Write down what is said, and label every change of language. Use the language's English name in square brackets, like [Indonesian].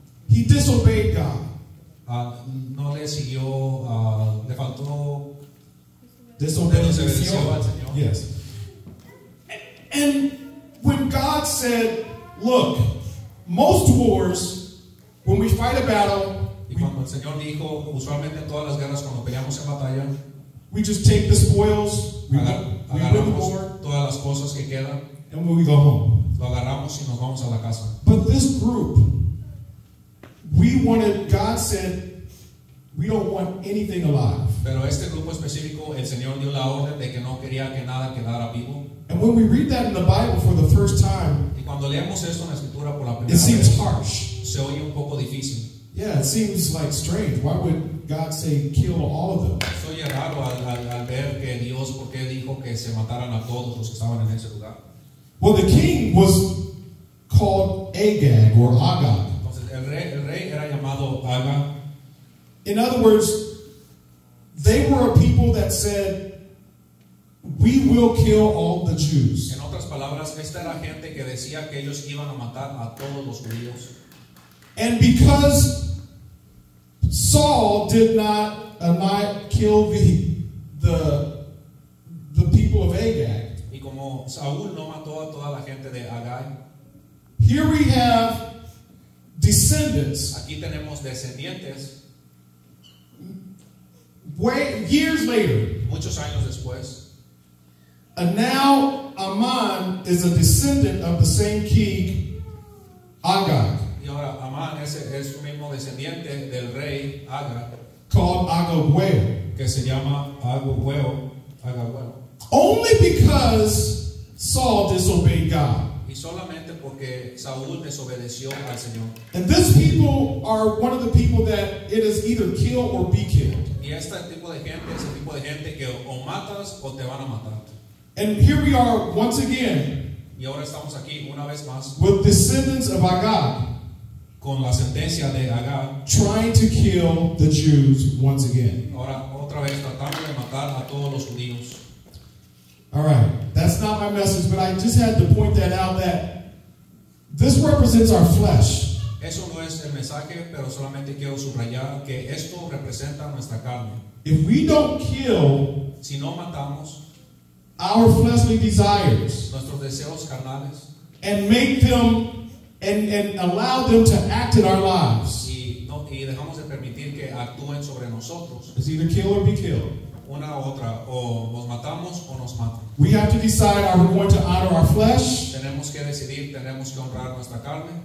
[English] He disobeyed God. [Spanish] No le siguió, le faltó desobedeció al Señor. [English] Yes. And when God said, look, most wars, when we fight a battle, [Spanish] y cuando el Señor dijo, usualmente en todas las guerras cuando peleamos en batalla, [English] we just take the spoils, we win the war, [Spanish] todas las cosas que quedan, [English] and we go home. [Spanish] Lo agarramos y nos vamos a la casa. [English] But this group, we wanted, God said, we don't want anything alive. [Spanish] Pero este grupo específico, el Señor dio la orden de que no quería que nada quedara vivo. [English] And when we read that in the Bible for the first time, [Spanish] y cuando leemos esto en la escritura por la primera vez, [English] it seems harsh. [Spanish] Se oye un poco difícil. [English] Yeah, it seems like strange. Why would God say kill all of them? [Spanish] Soy raro al ver que Dios por qué dijo que se mataran a todos los que estaban en ese lugar. [English] Well, the king was called Agag or Agag. [Spanish] Entonces el rey era llamado Agag. [English] In other words, they were a people that said, "We will kill all the Jews." [Spanish] En otras palabras, esta era gente que decía que ellos iban a matar a todos los judíos. [English] And because Saul did not kill the people of Agag. [Spanish] Y como Saúl no mató a toda la gente de Agag. [English] Here we have descendants. [Spanish] Aquí tenemos descendientes. [English] Years later. [Spanish] Muchos años después. [English] And now Amán is a descendant of the same king Agag. [Spanish] Y ahora Amán es un mismo descendiente del rey Agag. [English] Called Agagueo. [Spanish] Que se llama Agagueo. Agagueo. [English] Only because Saul disobeyed God. [Spanish] Y solamente porque Saúl desobedeció al Señor. [English] And this people are one of the people that it is either kill or be killed. [Spanish] Y este tipo de gente es el tipo de gente que o matas o te van a matar. [English] And here we are once again. [Spanish] Y ahora estamos aquí una vez más. [English] With descendants of Agag. [Spanish] Con la sentencia de Agag, [English] trying to kill the Jews once again. [Spanish] Ahora, otra vez, tratando de matar a todos los judíos. [English] All right, that's not my message, but I just had to point that out that this represents our flesh. [Spanish] Eso no es el mensaje, pero solamente quiero subrayar que esto representa nuestra carne. [English] If we don't kill, [Spanish] si no matamos, [English] our fleshly desires, [Spanish] nuestros deseos carnales, [English] and make them and allow them to act in our lives. [Spanish] Y no, y dejamos de permitir que actúen sobre nosotros. [English] It's either kill or be killed. [Spanish] Una u otra, o nos matamos o nos matan. [English] We have to decide, are we going to honor our flesh? [Spanish] Tenemos que decidir, tenemos que honrar nuestra carne.